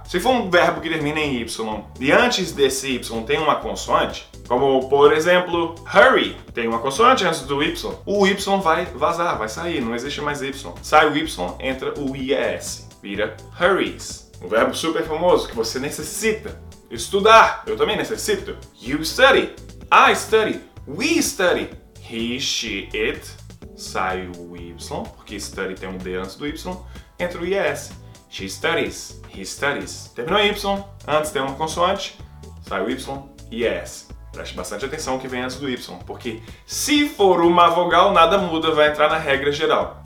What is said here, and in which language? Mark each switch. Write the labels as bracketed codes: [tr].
[pt] Se for um verbo que termina em Y e antes desse Y tem uma consoante, como por exemplo, hurry, tem uma consoante antes do Y, o Y vai vazar, vai sair, não existe mais Y. Sai o Y, entra o IES, vira hurries. Um verbo super famoso que você necessita estudar, eu também necessito. [en] You study, I study, we study, he, she, it. [pt] Sai o Y, porque study tem um D antes do Y, entra o IES. [en] She studies, he studies. [pt] Terminou Y, antes tem uma consoante, sai o Y, IES. Preste bastante atenção que vem antes do Y, porque se for uma vogal, nada muda, vai entrar na regra geral.